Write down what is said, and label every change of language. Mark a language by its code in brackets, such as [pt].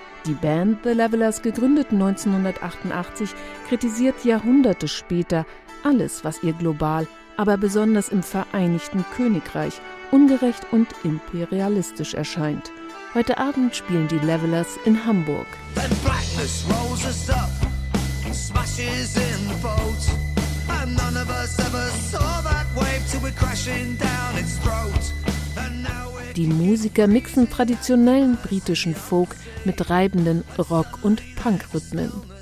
[de] Die Band The Levellers, gegründet 1988, kritisiert Jahrhunderte später alles, was ihr global, aber besonders im Vereinigten Königreich, ungerecht und imperialistisch erscheint. Heute Abend spielen die Levellers in Hamburg. [en] When blackness rolls us up and smashes in the boat, and none of us ever saw that wave till we're crashing down its throat. [de] Die Musiker mixen traditionellen britischen Folk mit reibenden Rock- und Punk-Rhythmen.